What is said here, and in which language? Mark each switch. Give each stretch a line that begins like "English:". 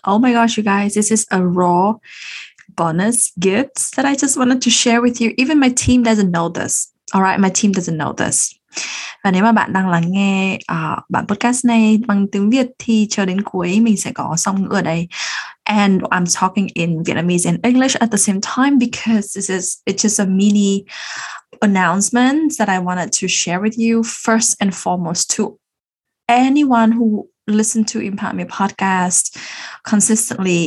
English: Oh my gosh, you guys, this is a raw bonus gift that I just wanted to share with you. Even my team doesn't know this. All right, my team doesn't know this.
Vietnamese: Và nếu mà bạn đang lắng nghe bản podcast này bằng tiếng Việt thì cho đến cuối mình sẽ có song ngữ ở đây.
English: And I'm talking in Vietnamese and English at the same time because it's just a mini announcement that I wanted to share with you first and foremost to anyone who listen to Impact Me podcast consistently.